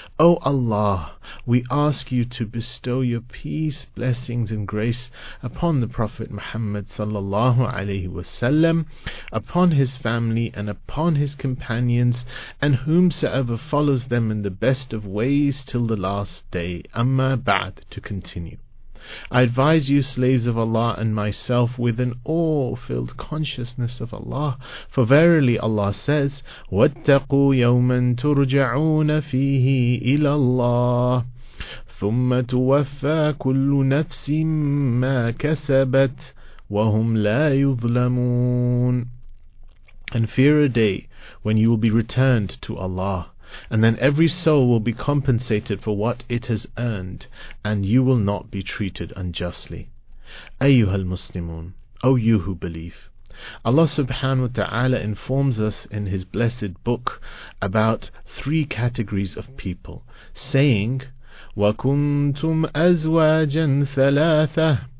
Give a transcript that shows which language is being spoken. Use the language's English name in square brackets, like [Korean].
[English] O Allah, we ask you to bestow your peace, blessings and grace upon the Prophet Muhammad sallallahu alaihi wasallam, upon his family and upon his companions, and whomsoever follows them in the best of ways till the last day. Amma ba'd, to continue. I advise you, slaves of Allah, and myself with an awe-filled consciousness of Allah. For verily Allah says, [Arabic] وَاتَّقُوا يَوْمًا تُرْجَعُونَ فِيهِ إِلَى اللَّهِ ثُمَّ تُوَفَّى كُلُّ نَفْسٍ مَا كَسَبَتْ وَهُمْ لَا يُظْلَمُونَ. [English] And fear a day when you will be returned to Allah, and then every soul will be compensated for what it has earned, and you will not be treated unjustly. Ayyuhal Muslimun, O you who believe, Allah subhanahu wa ta'ala informs us in His blessed book about three categories of people, saying, [Arabic] وَكُنْتُمْ أَزْوَاجًا ثَلَاثَةً